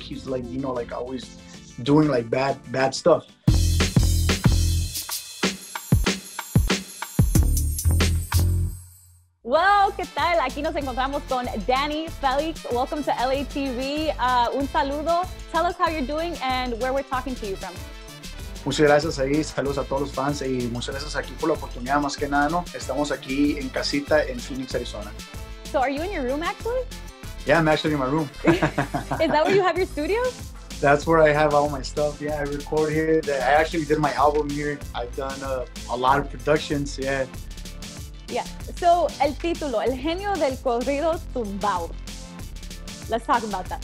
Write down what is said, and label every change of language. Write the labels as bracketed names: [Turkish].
[English] He's like, you know, like always doing like bad stuff. [Spanish] Well, ¿qué tal? Aquí nos encontramos con Danny, Felix. [English] Welcome to LATV. [Spanish] Un saludo. [English] Tell us how you're doing and where we're talking to you from. [Spanish] Muchas gracias ahí, saludos a todos los fans y muchas gracias aquí por la oportunidad, más que nada, ¿no? Estamos aquí en casita en Phoenix, Arizona. [English] So, are you in your room, actually? Yeah, I'm actually in my room. Is that where you have your studio? That's where I have all my stuff, yeah, I record here. I actually did my album here. I've done a lot of productions, yeah. Yeah, so, el título, El Genio del Corrido Tumbado. Let's talk about that.